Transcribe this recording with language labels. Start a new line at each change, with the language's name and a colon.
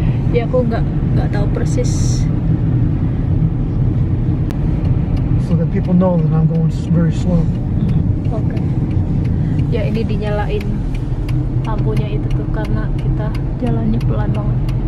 Indonesian: Ya aku enggak tahu persis.
English: So that people know that I'm going very slow. Okay.
Indonesian: Ya ini dinyalain lampunya itu tuh karena kita jalannya pelan banget.